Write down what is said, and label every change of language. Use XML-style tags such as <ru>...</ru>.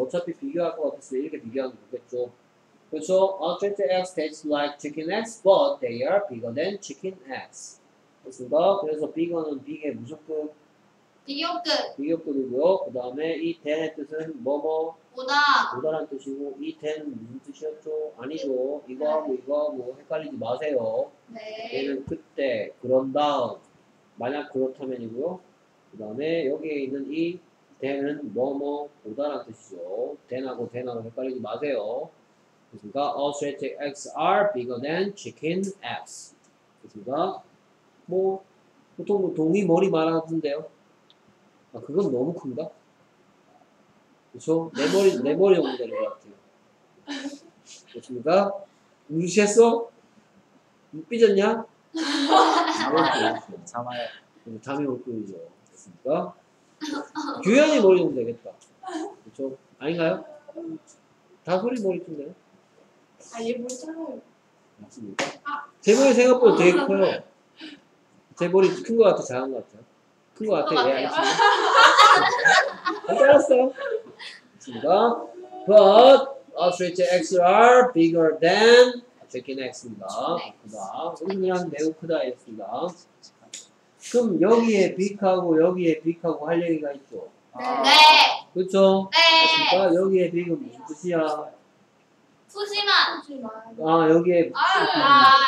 <ko>어차피 비교할 것 같아서 이렇게 비교하면 좋겠죠.</ko> <en>그래서 ostrich eggs taste like chicken eggs, but they are bigger than chicken eggs.</en> <ko>그렇습니다. 그래서 bigger는 big의 무조건 비교급. 비교급이고요. 그 다음에 이 than의 뜻은 뭐뭐? 보다. 보다란 뜻이고 이 than은 무슨 뜻이었죠? 아니죠. 이거하고 이거하고 헷갈리지 마세요. 네. 얘는 그때, 그런 다음. 만약 그렇다면이고요. 그 다음에 여기에 있는 이 than은 뭐뭐? 보다란 뜻이죠. than하고 than하고 헷갈리지 마세요.</ko> <en>그니까 ostrich eggs are bigger than chicken eggs.</en> <ko>그니까 뭐 보통 동이 머리 말하던데요. 아 그건 너무 큰가? 그렇죠? 내 머리 정도 되는 것 같아요. 됐습니까? 무시했어? 삐졌냐? 잠아요. 잠이 올 뿐이죠. 됐습니까? 규현이 머리면 되겠다. 그쵸? 아닌가요? 다 소리 머리인데. 아, 얘 머리 작아요. 맞습니까? 제 머리 생각보다 되게 커요. 제 머리 큰 것 같아, 작은 것 같아. 큰 것 같아, 얘 알겠습니다. 잘했어. 됐습니까?</ko> <en>But ostrich eggs are bigger than chicken eggs입니다.</en> <ko>크다. 우리는 매우 크다였습니다. 그럼 여기에 빅하고 여기에 빅하고 할 얘기가 있죠. 네. 그렇죠. 네. 그러니까 여기에 빅은 무슨 뜻이야? 소심한. 아 여기에. 아.</ko>